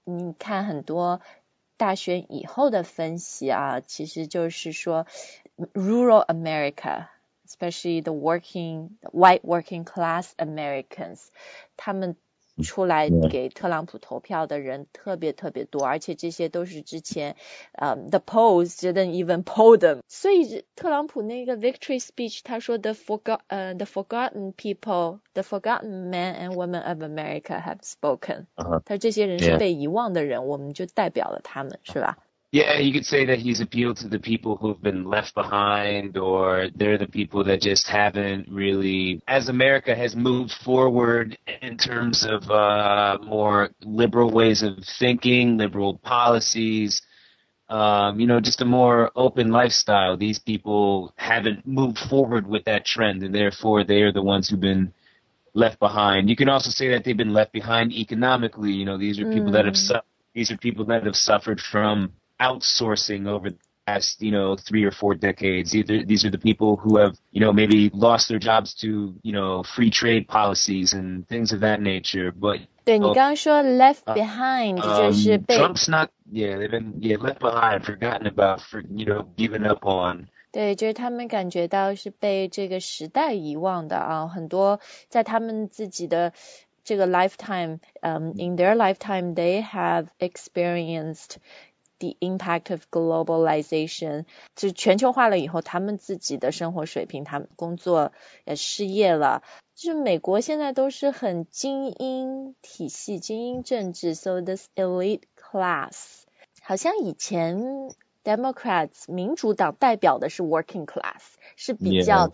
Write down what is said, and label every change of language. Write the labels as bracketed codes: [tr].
[zh] 你看很多大选以后的分析啊，其实就是说 [en] rural America。 Especially the white working class Americans, [zh] 他们出来给特朗普投票的人特别特别多，而且这些都是之前 [en] the polls didn't even poll them. [zh] 所以特朗普那个 [en] victory speech, [zh] 他说 [en] the forgotten people, the forgotten men and women of America have spoken. [zh] 他说这些人是被遗忘的人，我们就代表了他们，是吧？ [en] Yeah, you could say that he's appealed to the people who've been left behind or they're the people that just haven't really, as America has moved forward in terms of more liberal ways of thinking, liberal policies, just a more open lifestyle. These people haven't moved forward with that trend and therefore they are the ones who've been left behind. You can also say that they've been left behind economically. You know, these are people that have suffered from...outsourcing over the past, you know, 3 or 4 decades. Either these are the people who have, you know, maybe lost their jobs to, you know, free trade policies and things of that nature. But [zh] 对你刚刚说 [en] left behind [zh] 就是被 [en] Trump's not, yeah, they've been yeah left behind, forgotten about, for, you know, given up on. [zh] 对，就是他们感觉到是被这个时代遗忘的啊，很多在他们自己的这个 lifetime, [en] in their lifetime, they have experienced the impact of globalization, [zh] 就是全球化了以后，他们自己的生活水平，他们工作也失业了，就是美国现在都是很精英体系，精英政治 , [en] so this elite class, [zh] 好像以前Democrats, 民主党代表的是 [en] working class, [zh] 是比较